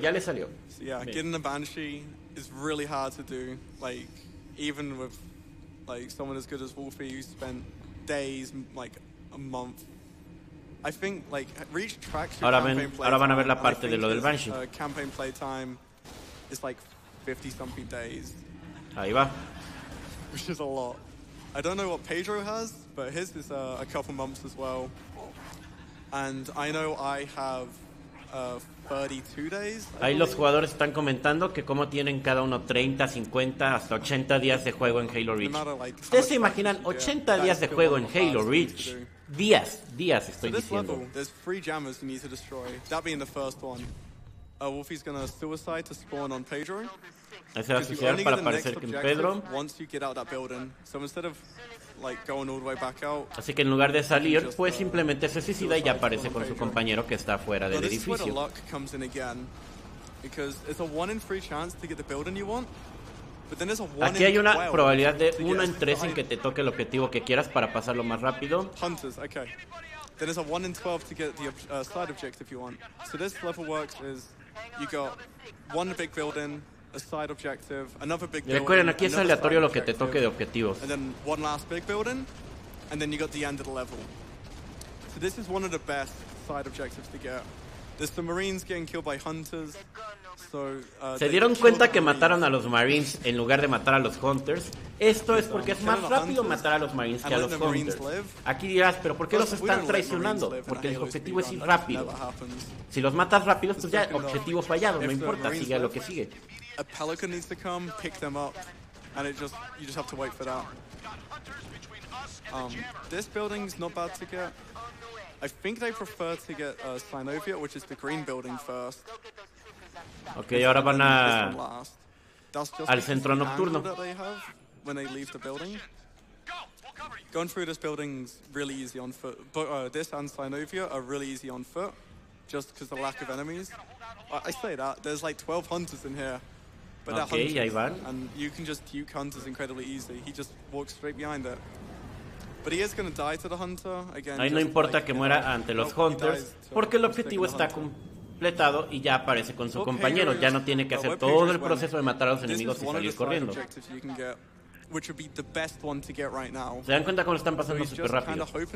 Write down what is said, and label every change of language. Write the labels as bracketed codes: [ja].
[en] Getting a banshee is really hard to do. Like, even with like someone as good as Wolfie, you spent days, like a month. I think like reach tracks. [es] Ahora van a ver la parte de lo del banshee. [en] Campaign playtime is like 50 something days. [es] Ahí va. [en] Which is a lot. I don't know what Pedro has, but his is a couple months as well. And I know I have 32 days. [es] Ahí los jugadores están comentando que cómo tienen cada uno 30, 50, hasta 80 días de juego en Halo Reach. ¿Ustedes se imaginan 80 días de juego en Halo Reach? Días, estoy [en] so this [es] diciendo. [en] Level, there's 3 jammers you need to destroy. That being the first one. Wolfie's gonna suicide to spawn on Pedro. [es] Ese va a suicidar para aparecer en Pedro. [en] Once you get out that building. So instead of like going all the way back out. [es] Así que en lugar de salir, pues simplemente se suicida y ya aparece con su compañero que está fuera del edificio. [en] This is where the luck comes in again, because it's a 1 in 3 chance to get the building you want. [es] Aquí hay una probabilidad de 1 en 3 en que te toque el objetivo que quieras para pasarlo más rápido. [en] Hunters, okay. Then there's a 1 in 12 to get the side objective you want. So this level works is you got one big building, a side objective, another big building. [es] Recuerden, aquí es aleatorio lo que te toque de objetivos. [en] And then one last big building, and then you got the end of the level. So this is one of the best side objectives to get. There's the Marines getting killed by hunters. [es] Se dieron cuenta que mataron a los Marines en lugar de matar a los Hunters. Esto es porque es más rápido matar a los Marines que a los Hunters. Aquí dirás, ¿pero por qué los están traicionando? Porque el objetivo es ir rápido. Si los matas rápido, pues ya objetivo fallado, no importa, sigue a lo que sigue. [en] A Pelican needs to come, pick them up, and it just, you just have to wait for that. This building's not bad to get. I think they prefer to get Synovia, which is the green building first. [es] Ok, ahora van a al centro nocturno. [en] When they leave the building, going through this building's really easy on foot. But this and Synovia are really easy on foot, just because the lack of enemies. I say that there's like 12 hunters in here, but okay, hunters, [es] ahí van. [en] And you can just duke hunters incredibly easy. He just walks straight behind it. But he is gonna die to the hunter again. [es] Ahí no importa que muera ante los hunters, porque el objetivo está completado y ya aparece con su compañero. Ya no tiene que hacer todo el proceso de matar a los enemigos y salir corriendo. Se dan cuenta cómo lo están pasando súper rápido.